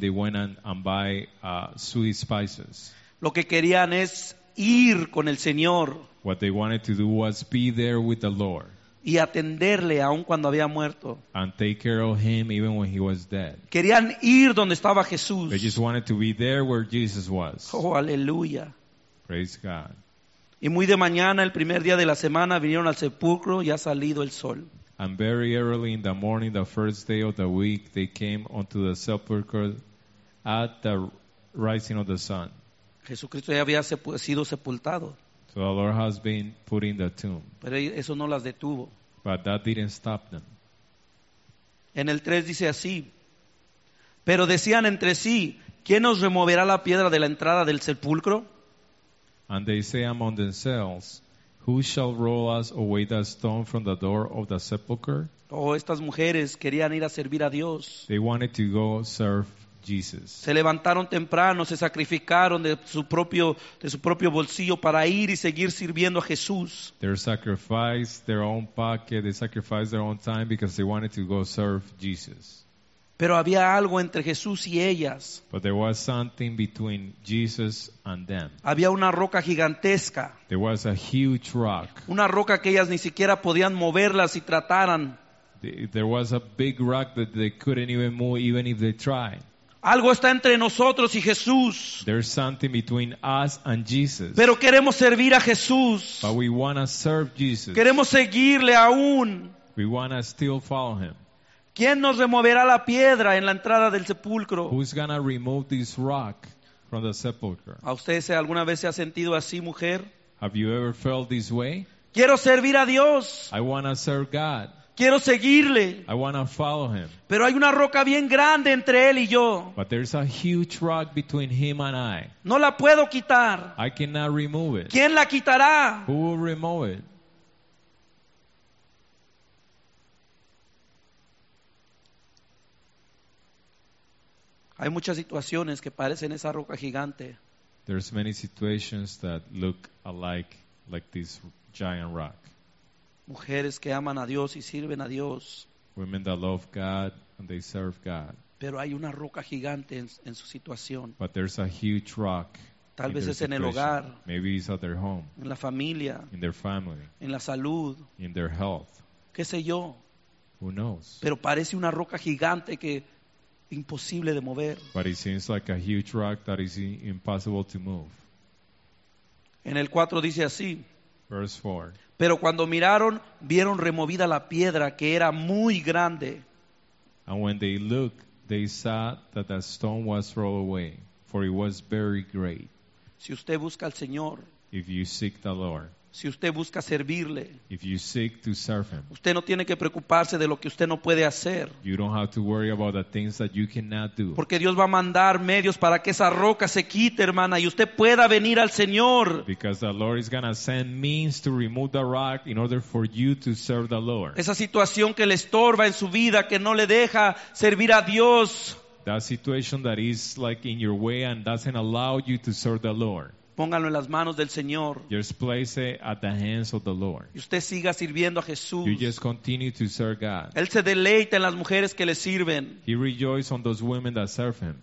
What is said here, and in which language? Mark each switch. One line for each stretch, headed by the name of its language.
English: They went and buy sweet spices.
Spanish: Lo que querían es ir con el Señor.
English: What they wanted to do was be there with the Lord.
Spanish: Y atenderle aun cuando había muerto.
English: And take care of him even when he was dead.
Spanish: Querían ir donde estaba Jesús.
English: They just wanted to be there where Jesus was.
Spanish: Oh, aleluya.
English: Praise God.
Spanish: Y muy de mañana, el primer día de la semana, vinieron al sepulcro y ha salido el sol.
English: And very early in the morning, the first day of the week, they came unto the sepulchre at the rising of the sun.
Spanish: Jesucristo ya había sido sepultado.
English: So the Lord has been put in the tomb.
Spanish: Pero eso no las detuvo.
English: But that didn't stop them.
Spanish: En el 3 dice así. Pero decían entre sí, ¿quién nos removerá la piedra de la entrada del sepulcro?
English: And they say among themselves, Who shall roll us away that stone from the door of the sepulcher?
Spanish: Oh, estas mujeres querían ir a servir a Dios.
English: They wanted to go serve Jesus.
Spanish: Se levantaron temprano, se sacrificaron de su propio bolsillo para ir y seguir sirviendo a Jesús.
English: They sacrificed their own pocket, they sacrificed their own time because they wanted to go serve Jesus.
Spanish: Pero había algo entre Jesús y ellas.
English: But there was something between Jesus and them.
Spanish: Había una roca gigantesca.
English: There was a huge rock.
Spanish: Una roca que ellas ni siquiera podían moverla si trataran.
English: There was a big rock that they couldn't even move even if they tried.
Spanish: Algo está entre nosotros y Jesús.
English: There's something between us and Jesus.
Spanish: Pero queremos servir a Jesús.
English: But we want to serve Jesus.
Spanish: Queremos seguirle aún.
English: We want to still follow him.
Spanish: ¿Quién nos removerá la piedra en la entrada del sepulcro?
English: Who's gonna remove this rock from the sepulcher?
Spanish: ¿A usted alguna vez se ha sentido así, mujer?
English: Have you ever felt this way?
Spanish: Quiero servir a Dios.
English: I want to serve God.
Spanish: Quiero seguirle.
English: I want to follow him.
Spanish: Pero hay una roca bien grande entre él y yo.
English: But there's a huge rock between him and I.
Spanish: No la puedo quitar.
English: I cannot remove it.
Spanish: ¿Quién la quitará?
English: Who will remove it?
Spanish: Hay muchas situaciones que parecen esa roca gigante.
English: There's many situations that look alike, like this giant rock.
Spanish: Mujeres que aman a Dios y sirven a Dios.
English: Women that love God and they serve God.
Spanish: Pero hay una roca gigante en su situación.
English: But there's a huge rock.
Spanish: Tal vez es en el hogar.
English: Maybe it's at their home.
Spanish: En la familia.
English: In their family.
Spanish: En la salud.
English: In their health.
Spanish: ¿Qué sé yo?
English: Who knows?
Spanish: Pero parece una roca gigante que imposible de mover.
English: But it seems like a huge rock that is impossible to move.
Spanish: En el 4 dice así.
English: Verse 4.
Spanish: Pero cuando miraron, vieron removida la piedra que era muy grande.
English: And when they looked, they saw that the stone was rolled away, for it was very great.
Spanish: Si usted busca al Señor.
English: If you seek the Lord.
Spanish: Si usted busca servirle,
English: if you seek to serve him,
Spanish: usted no tiene que preocuparse de lo que usted no puede hacer.
English: You don't have to worry about the things that you cannot do.
Spanish: Porque Dios va a mandar medios para que esa roca se quite, hermana, y usted pueda venir al Señor.
English: Because the Lord is going to send means to remove the rock in order for you to serve the Lord.
Spanish: Esa situación que le estorba en su vida, que no le deja servir a Dios.
English: That situation that is like in your way and doesn't allow you to serve the Lord.
Spanish: Póngalo en las manos del Señor.
English: Just place it at the hands of the Lord.
Spanish: Y usted siga sirviendo a Jesús.
English: You just continue to serve God.
Spanish: Él se deleita en las mujeres que le sirven.
English: He rejoices on those women that serve him.